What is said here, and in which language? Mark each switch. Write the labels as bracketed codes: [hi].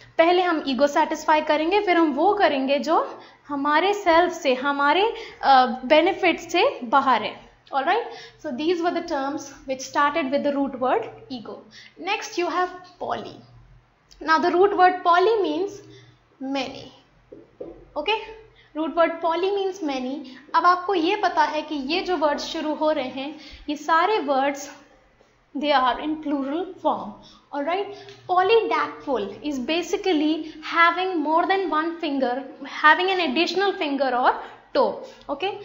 [hi] पहले हम [en] ego satisfy [hi] करेंगे, फिर हम वो करेंगे जो हमारे self से, हमारे benefits से बाहर है. [en] Alright, so these were the terms which started with the root word ego. Next you have poly. Now the root word poly means many, okay. Root word poly means many. [hi] अब आपको ये पता है कि ये जो वर्ड्स शुरू हो रहे हैं ये सारे words [en] They are in plural form. और right, polydactyl is basically having more than one finger, having an additional finger or toe, okay.